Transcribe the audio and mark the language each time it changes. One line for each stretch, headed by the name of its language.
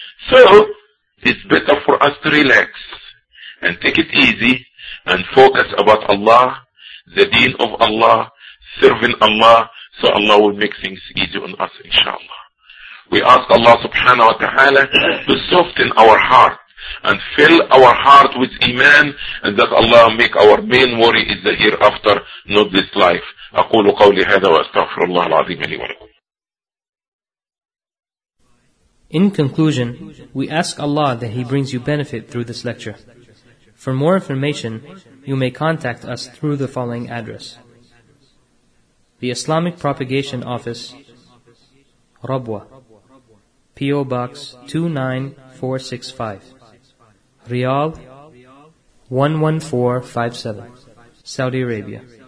English: So, it's better for us to relax and take it easy and focus about Allah, the deen of Allah, serving Allah, so Allah will make things easy on us, inshallah. We ask Allah subhanahu wa ta'ala to soften our heart and fill our heart with iman, and that Allah make our main worry is the hereafter, not this life.
Arabic: أقول قولي هذا وأستغفر الله العظيم لي ولكم.
English: In conclusion, we ask Allah that He brings you benefit through this lecture. For more information, you may contact us through the following address: The Islamic Propagation Office, Rabwa, P.O. Box 29465, Riyadh 11457, Saudi Arabia.